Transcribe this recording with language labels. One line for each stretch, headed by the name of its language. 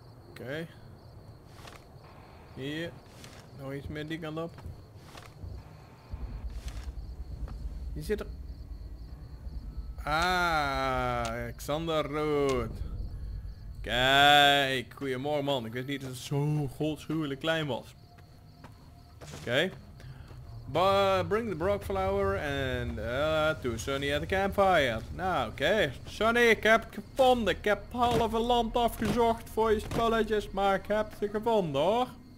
Dutch: Oké. Hier. Nog iets meer die kant op. Hier zit er... ah, Xander Rood. Kijk, goeiemorgen man. Ik wist niet dat het zo godschuwelijk klein was. Oké. Okay.
English: Bring the Brockflower and to Sunny at the campfire. Nou, oké. Okay.
Dutch: Sunny, ik heb het gevonden. Ik heb halve land afgezocht voor je spulletjes, maar ik heb ze gevonden hoor.